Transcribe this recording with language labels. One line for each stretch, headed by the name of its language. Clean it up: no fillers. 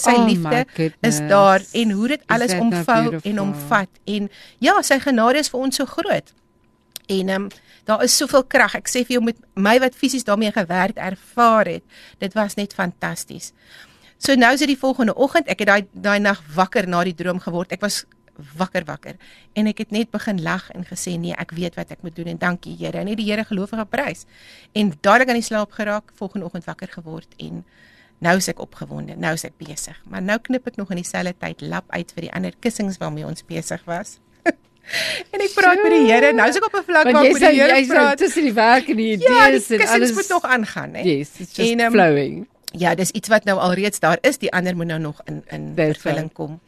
Afrikaans: Sy liefde is daar en hoe dit alles omvou en omvat. En ja, sy genade is vir ons so groot. En daar is soveel krag. Ek sê vir jou met my wat fisies daarmee gewerk ervaar het, dit was net fantasties. So nou is dit die volgende oggend. Ek het daai nag wakker na die droom geword. Ek was wakker. En ek het net begin lag en gesê, nee, ek weet wat ek moet doen en dankie Here. En die Here gelowige prys. En dadelik aan die slaap geraak, volgende oggend wakker geword en nou is ek opgewonde, nou is ek besig. Maar nou knip ek nog in dieselfde tyd lap uit vir die ander kussings waarmee ons besig was. En ek praat met die Here, nou is ek op 'n vlak waar ek met die Here praat. Want jy is tussen die werk en die idees en alles. Ja, die kussings moet nog aangaan.
English: Hè? Yes, it's just flowing.
Afrikaans: Ja, dis iets wat nou alreeds daar is, die ander moet nou nog in vervulling kom.